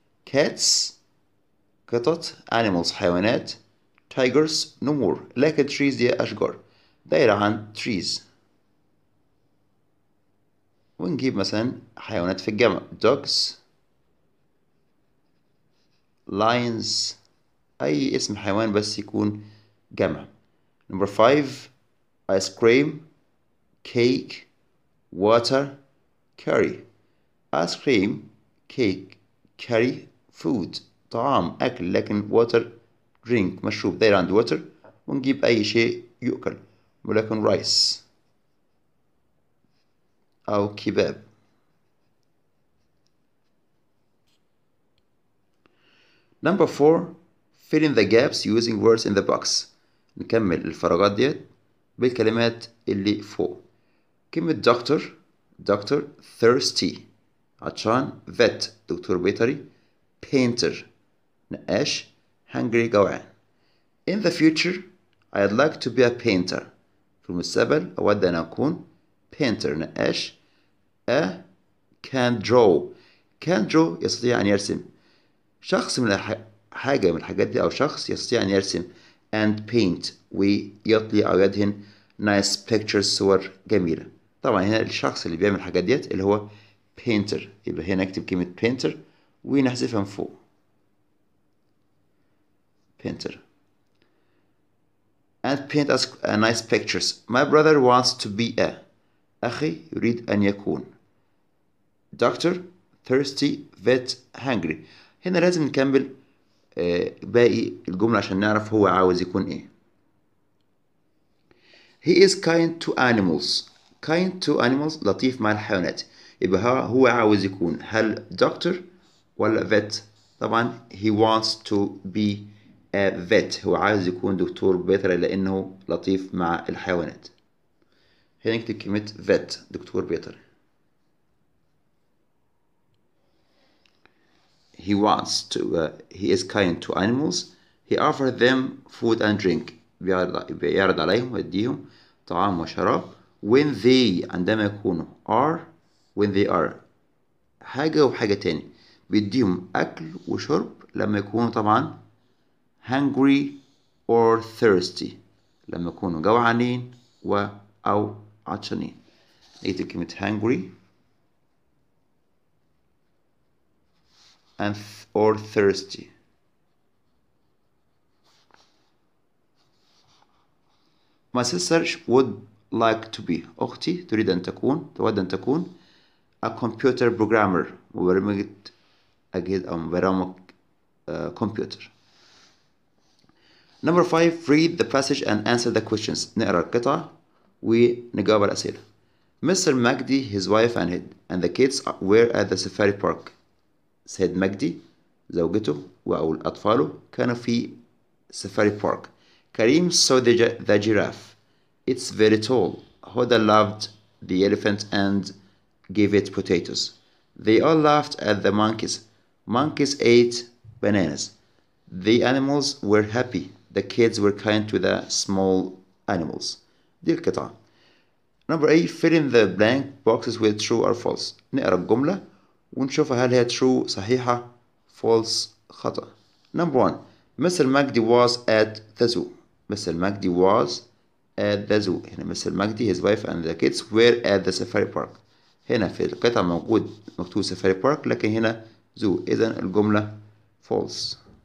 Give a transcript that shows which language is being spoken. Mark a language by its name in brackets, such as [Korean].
[Arabic] Cats, قطط, animals, حيوانات, tigers, نمور, لكن trees دي أشجار. دايرة عن trees. ونجيب مثلا حيوانات في الجمع. Dogs, lions, أي اسم حيوان بس يكون جمع. [English] Number five, ice cream, cake, water, curry. Ice cream, cake, curry, food, طعام, أكل, لكن water, drink, مشروب. [Arabic] دايرة عند water. ونجيب أي شيء يؤكل, ولكن rice أو كباب. [English] Number four, fill in the gaps using words in the box. [Arabic] نكمل الفراغات ديت بالكلمات اللي فوق. كلمة doctor, doctor, thirsty, عطشان, vet, دكتور بيطري, painter, نقاش, hungry, جوعان. [English] In the future, I'd like to be a painter. [Arabic] في المستقبل أود أن أكون painter, نقاش. [English] A can draw. [Arabic] Can draw, يستطيع أن يرسم. شخص من حاجة من الحاجات دي أو شخص يستطيع أن يرسم [English] and paint, [Arabic] ويطلي أو يدهن [English] nice pictures, [Arabic] صور جميلة. طبعا هنا الشخص اللي بيعمل الحاجات ديت اللي هو painter, يبقى هنا نكتب كلمة painter ونحذفها من فوق. [English] painter and paint us nice pictures. My brother wants to be a, [Arabic] أخي يريد أن يكون. [English] doctor, thirsty, vet, hungry. [Arabic] هنا لازم نكمل باقي الجملة عشان نعرف هو عاوز يكون ايه. [English] He is kind to animals. [Arabic] Kind to animals, لطيف مع الحيوانات. يبقى هو عاوز يكون هل doctor ولا vet. طبعا [English] he wants to be a vet, [Arabic] هو عاوز يكون دكتور بيطري لأنه لطيف مع الحيوانات. هنا نكتب كلمة vet, دكتور بيطري. [English] He wants to, he is kind to animals. He offers them food and drink. [Arabic] بيعرض عليهم ويديهم طعام وشراب. [English] When they, [Arabic] عندما يكونوا, [English] are, when they are, حاجة وحاجة تاني. [Arabic] بيديهم أكل وشرب لما يكونوا طبعا hungry or thirsty, لما يكونوا جوعانين و أو عطشانين. [English] نكتب كلمة hungry and or thirsty. My sister would like to be, [Arabic] أختي تريد أن تكون, تود أن تكون [English] a computer programmer, [Arabic] مبرمجة أجهزة أو مبرمج كمبيوتر. [English] Number five, read the passage and answer the questions. [Arabic] نقرأ القطع ونجاوب على الأسئلة. [English] Mr. Magdi, his wife and the kids were at the safari park. [Arabic] سيد مجدي زوجته أو أطفاله كانوا في سفاري بارك. [English] كريم saw the giraffe. It's very tall. Hoda loved the elephant and gave it potatoes. They all laughed at the monkeys. Monkeys ate bananas. The animals were happy. The kids were kind to the small animals. [Arabic] دي القطعة. [English] Number 8, fill in the blank boxes with true or false. [Arabic] نقرأ الجملة ونشوف هل هي true, صحيحة, false, خطأ. [English] Number one, Mr. Magdi was at the zoo. Mr. Magdi was at the zoo. هنا Mr. Magdi, his wife and the kids were at the safari park. [Arabic] هنا في القطع موجود مكتوب safari park لكن هنا zoo. إذن الجملة false.